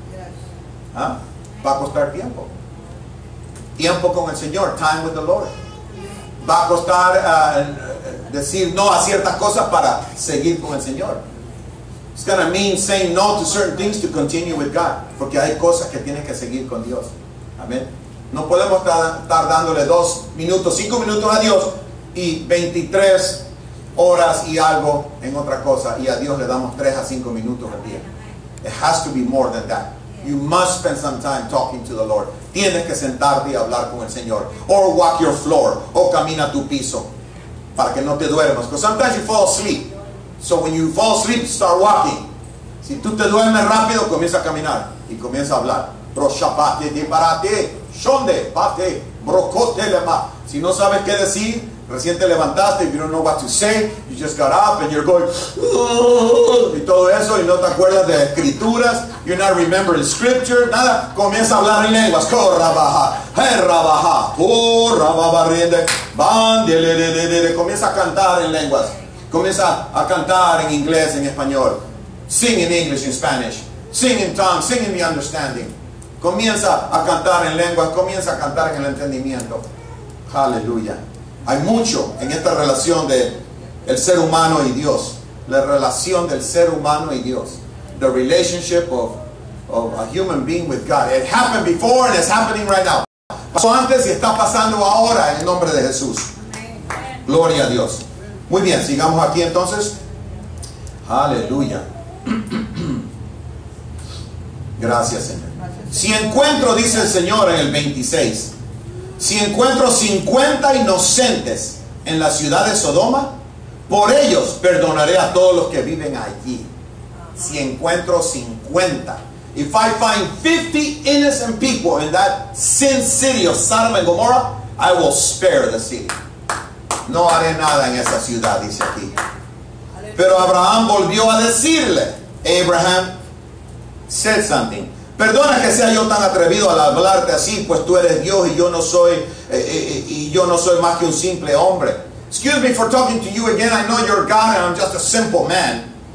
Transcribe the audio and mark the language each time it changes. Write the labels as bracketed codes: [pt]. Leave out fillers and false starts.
[en] Yes. [es] ¿Ah? va a costar tiempo. Tiempo con el Señor, [en] time with the Lord. [es] Va a costar decir no a ciertas cosas para seguir con el Señor. [en] It's going to mean saying no to certain things to continue with God. [es] Porque hay cosas que tienes que seguir con Dios. Amén. No podemos estar dándole 2 minutos, 5 minutos a Dios y 23 horas y algo en otra cosa. Y a Dios le damos 3 a 5 minutos al día. [en] It has to be more than that. You must spend some time talking to the Lord. [es] Tienes que sentarte y hablar con el Señor. [en] Or walk your floor. [es] O camina tu piso. Para que no te duermas. [en] Because sometimes you fall asleep. So when you fall asleep, start walking. [es] Si tú te duermes rápido, comienza a caminar. Y comienza a hablar. Proshapate de barate. Shonde. Pate. Brocote lema. Si no sabes qué decir, recién te levantaste. [en] If you don't know what to say, you just got up and you're going. [es] Y todo eso. Y no te acuerdas de escrituras. [en] You're not remembering scripture. [es] Nada. Comienza a hablar en lenguas. Corrabaja. Herrabaja. Corrabarriende. Bandelelelelele. Comienza a cantar en lenguas. Comienza a cantar en inglés, en español. [en] Sing in English, in Spanish. Sing in tongues. Sing in the understanding. [es] Comienza a cantar en lenguas. Comienza a cantar en el entendimiento. Aleluya. Hay mucho en esta relación de el ser humano y Dios. La relación del ser humano y Dios. [en] The relationship of a human being with God. It happened before and it's happening right now. [es] Pasó antes y está pasando ahora en el nombre de Jesús. Gloria a Dios. Muy bien, sigamos aquí entonces. Aleluya. Gracias, Señor. Si encuentro, dice el Señor en el 26, si encuentro 50 inocentes en la ciudad de Sodoma, por ellos perdonaré a todos los que viven allí. Si encuentro 50. [en] If I find 50 innocent people in that sin city of Sodom and Gomorrah, I will spare the city. [es] No haré nada en esa ciudad, dice aquí. Pero Abraham volvió a decirle, [en] Abraham, said something. [es] Perdona que sea yo tan atrevido al hablarte así, pues tú eres Dios y yo no soy más que un simple hombre. [en] Excuse me for talking to you again. I know you're God and I'm just a simple man.